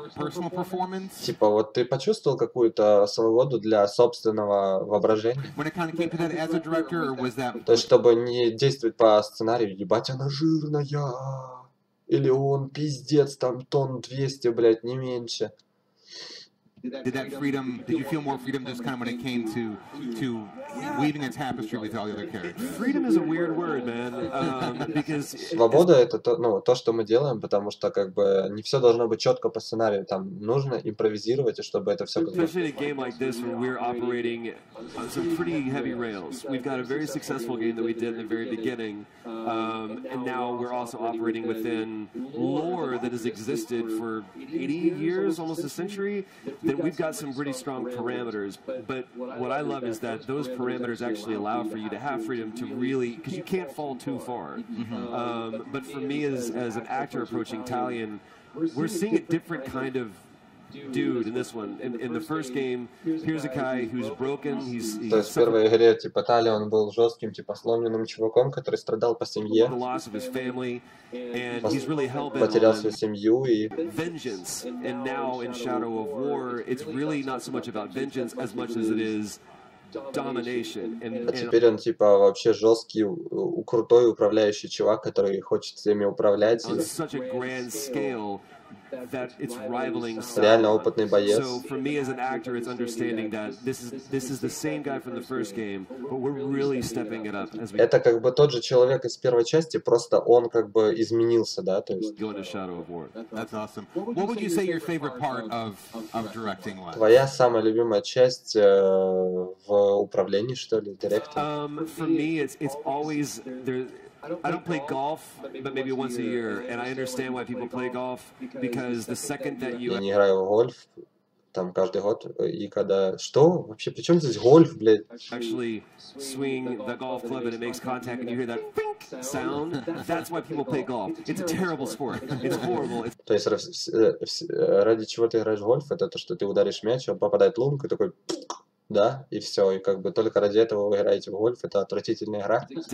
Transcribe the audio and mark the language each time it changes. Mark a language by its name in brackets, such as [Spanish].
[Russian] Типа вот ты почувствовал какую-то свободу для собственного воображения? То есть чтобы не действовать по сценарию, ебать она жирная. Или он пиздец, там тон 200, блядь, не меньше. [English] Did you feel more freedom just kind of when it came to yeah. weaving a tapestry with all the other characters? Freedom is a weird word, man. Because [Russian] свобода это то, ну, то, что мы делаем, потому что как бы не все должно быть четко по сценарию. Там нужно импровизировать, и чтобы это все. [English] Especially in a game like this, where we're operating on some pretty heavy rails. We've got a very successful game that we did in the very beginning, and now we're also operating within lore that has existed for 80 years, almost a century. Then we've got some pretty strong parameters, but what I love is that those parameters actually allow for you to have freedom to really, because you can't fall too far. But for me, as an actor approaching Talion, we're seeing a different kind of dude in this one. In the first game, here's a guy who's broken. [Russian] То есть в первой игре типа Талион был жестким, типа сломленным чуваком, который страдал по семье. [English] The loss of his family, and he's really helping. [Russian] Потерял свою семью и. [English] Vengeance, and now in Shadow of War, it's really not so much about vengeance as much as it is domination. [Russian] А теперь он типа вообще жесткий, крутой управляющий чувак, который хочет всеми управлять. [English] On such a grand scale. That it's rivaling [Russian] реально опытный боец. [English] So for me as an actor, it's understanding that this is the same guy from the first game, but we're really stepping it up. [Russian] Это как бы тот же человек из первой части, просто он как бы изменился, да, то есть. [English] Going to Shadow of War. That's awesome. What would you say your favorite part of directing was? [Russian] Твоя самая любимая часть в управлении, что ли, директор? [English] For me, it's always there. I don't play golf, but maybe once a year, and I understand why people play golf, because the second that you... [Russian] Я не играю в гольф, там, каждый год, и когда... Что? Вообще, при чем здесь гольф, блядь? [English] Actually, swing the golf club and it makes contact, and you hear that pink sound, that's why people play golf. It's a terrible sport. It's horrible. [Russian] То есть, ради чего ты играешь в гольф, это то, что ты ударишь мяч, он попадает в лунку, и такой... Да, и все, и как бы только ради этого вы играете в гольф, это отвратительная игра.